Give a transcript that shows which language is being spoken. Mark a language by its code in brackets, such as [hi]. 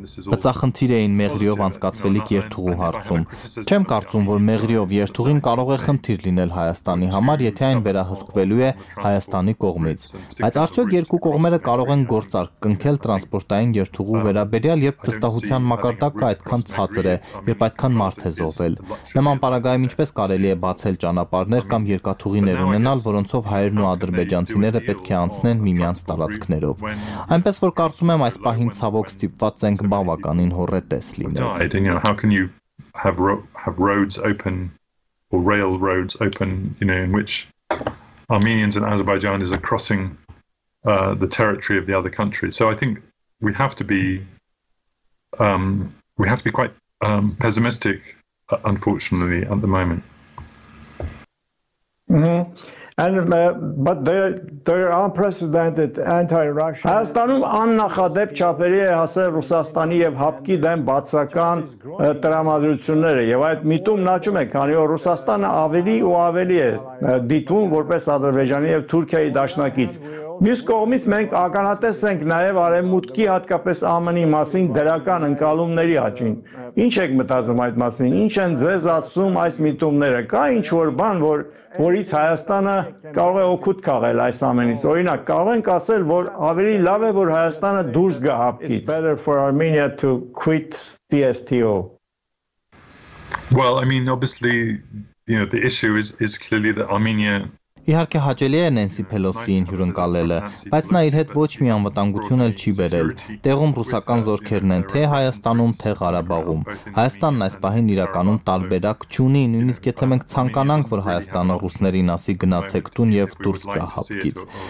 [hy] բծախնդիր էին մեղրիով անցկացվելիք երթուղու հարցում։ Չեմ կարծում, որ մեղրիով երթուղին կարող է խնդիր լինել Հայաստանի համար, եթե այն վերահսկվելու է Հայաստանի կողմից, բայց արդյոք երկու կողմերը կարող են գործարք կնքել տրանսպորտային երթուղու վերաբերյալ, երբ վստահության մակարդակը այդքան ցածր է, երբ այդքան մարդ է զոհվել։ Նման պարագայում ինչպես կարելի է բացել ճանապարհներ կամ երկաթուղիներ ունենալ, որոնցով հայերն ու ադրբեջանցիները պետք է անցնեն միմյանց տարածքներով։ Այնպես որ կարծում եմ, այս պահին ցավոք ստիպված ենք բավականին հորետես լինել։ [en] How can you have roads open or rail roads open, you know, in which Armenians and Azerbaijanis are crossing the territory of the other country? So I think we have to be quite pessimistic, unfortunately, at the moment. But they're unprecedented anti-Russian. [hy] Հայաստանում աննախադեպ չափերի է հասել Ռուսաստանի և ՀԱՊԿ-ի դեմ բացական տրամադրությունները, և այդ միտումն աճում է, քանի որ Ռուսաստանը ավելի ու ավելի է դիտվում որպես Ադրբեջանի և Թուրքիայի դաշնակից։ Մյուս կողմից մենք ականատես ենք նաև Արևմուտքի, հատկապես ԱՄՆ-ի մասին դրական ընկալումների աճին։ Ինչ եք մտածում այդ մասին, ինչ են ձեզ ասում այս միտումները, կա ինչ-որ բան, որից Հայաստանը կարող է օգուտ քաղել այս ամենից, օրինակ, կարող ենք ասել, որ ավելի լավ է, որ Հայաստանը դուրս գա ՀԱՊԿ-ից։ [en] It's better for Armenia to quit the STO. Well, I mean, obviously, you know, the issue is clearly that Armenia. [hy] Իհարկե հաճելի է Նենսի Փելոսիին հյուրընկալելը, բայց նա իր հետ ոչ մի անվտանգություն էլ չի բերել։ Տեղում ռուսական զորքերն են թե Հայաստանում, թե Ղարաբաղում։ Հայաստանն այս պահին իրականում տարբերակ չունի, նույնիսկ եթե մենք ցանկանանք, որ Հայաստանը ռուսներին ասի գնացեք տուն եւ դուրս գա հապկից։